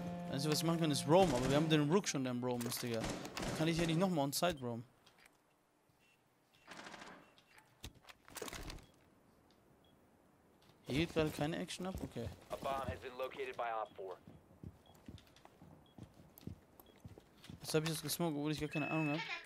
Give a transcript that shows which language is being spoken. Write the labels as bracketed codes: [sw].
[de] Also was ich machen kann ist roam, aber wir haben den Rook schon, der im roam ist, Digga. Dann kann ich hier nicht nochmal on side roam. Hier hielt gerade keine Action ab? Okay. [en] A bomb has been located by Op 4. [de] Jetzt habe ich das gesmoked, obwohl ich gar keine Ahnung habe.